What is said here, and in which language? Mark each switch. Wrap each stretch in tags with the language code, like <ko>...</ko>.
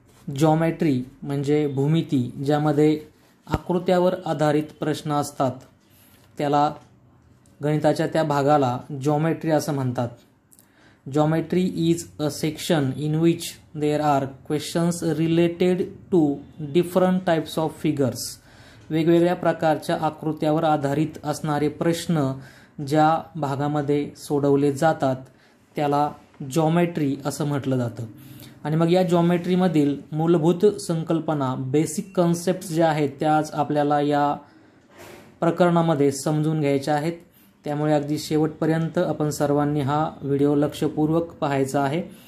<mr>Geometry म्हणजे भूमिती, ज्यामध्ये आकृत्यावर आधारित प्रश्न असतात त्याला गणिताच्या त्या भागाला ज्योमेट्री असं म्हणतात।</mr> <en>Geometry is a section in which there are questions related to different types of figures.</en> <mr>वेगवेगळ्या प्रकारच्या आकृत्यावर आधारित असणारे प्रश्न ज्या भागामध्ये सोडवले जातात त्याला ज्योमेट्री असं म्हटलं जातं। आणि मग या ज्योमेट्रीमधील मूलभूत संकल्पना बेसिक कन्सेप्ट ज्या आहेत त्या आज आपल्याला या प्रकरणामध्ये समजून घ्यायच्या आहेत, त्यामुळे अगदी शेवटपर्यंत आपण सर्वांनी हा व्हिडिओ लक्षपूर्वक पाहायचा आहे।</mr>